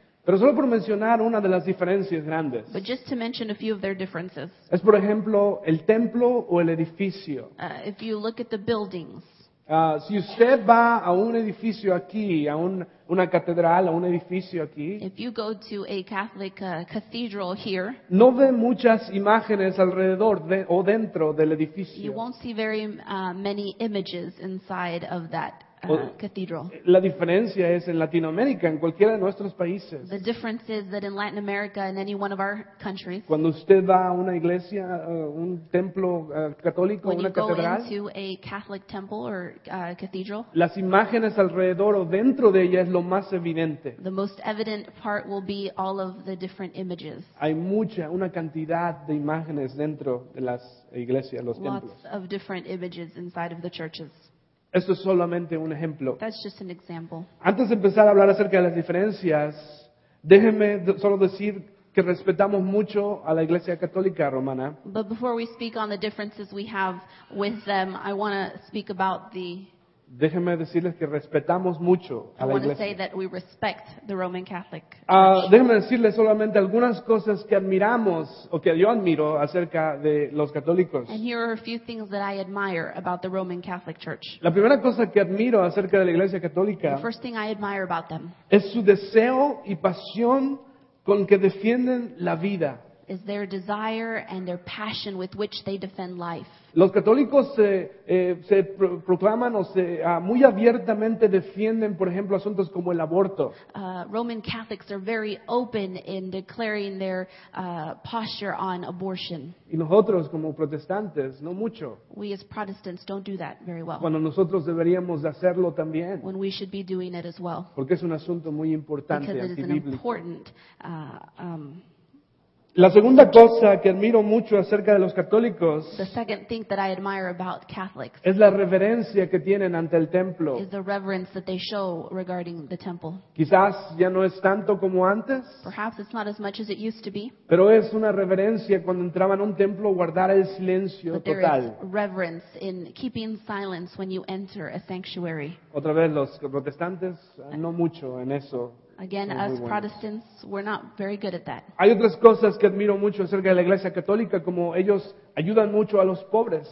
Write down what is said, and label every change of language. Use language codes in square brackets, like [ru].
[es] Pero solo por mencionar una de las diferencias grandes. [en] But just to mention a few of their differences. [es] Es, por ejemplo, el templo o el edificio. [en] If you look at the buildings. [es] Si usted va a un edificio aquí, a una catedral, a un edificio aquí. [en] If you go to a Catholic cathedral here. [es] No ve muchas imágenes alrededor de, o dentro del edificio. [en] You won't see very many images inside of that cathedral. [es] La diferencia es en Latinoamérica, en cualquiera de nuestros países. [en] The difference is that in Latin America, in any one of our countries. [es] Cuando usted va a una iglesia, un templo católico, una catedral. [en] When you go into a Catholic temple or cathedral. [es] Las imágenes alrededor o dentro de ella es lo más evidente. [en] The most evident part will be all of the different images. [es] Hay una cantidad de imágenes dentro de las iglesias, los templos. [en] Lots of different images inside of the churches. [es] Esto es solamente un ejemplo. [en] That's just an example. [es] Antes de empezar a hablar acerca de las diferencias, déjeme solo decir que respetamos mucho a la Iglesia Católica Romana. [en] But before we speak on the differences we have with them, I want to speak about the... [es] Déjeme decirles que respetamos mucho a la Iglesia. [en] I want to say that we respect the Roman Catholic Church. [es] Déjeme decirles solamente algunas cosas que admiramos o que yo admiro acerca de los católicos. [en] And here are a few things that I admire about the Roman Catholic Church. [es] La primera cosa que admiro acerca de la Iglesia Católica, [en] the first thing I admire about them, [es] es su deseo y pasión con que defienden la vida. [en] Is their desire and their passion with which they defend life. [es] Los católicos se proclaman muy abiertamente defienden, por ejemplo, asuntos como el aborto. [en] Roman Catholics are very open in declaring their posture on abortion. [es] Y nosotros como protestantes, no mucho. [en] We as Protestants don't do that very well. [es] Cuando nosotros deberíamos hacerlo también. [en] When we should be doing it as well. [es] Porque es un asunto muy importante, [en] because it [es] antibíblico. [en] Is an important [es] La segunda cosa que admiro mucho acerca de los católicos, [en] the second thing that I admire about Catholics, [es] es la reverencia que tienen ante el templo. [en] Is the reverence that they show regarding the temple. [es] Quizás ya no es tanto como antes, [en] perhaps it's not as much as it used to be, [es] pero es una reverencia cuando entraban a un templo guardar el silencio [en] but there [es] total. [en] Is reverence in keeping silence when you enter a sanctuary. [es] Otra vez los protestantes, no mucho en eso. [en] Again, as Protestants, we're not very good at that. [es] Hay otras cosas que admiro mucho acerca de la Iglesia Católica, como ellos ayudan mucho a los pobres.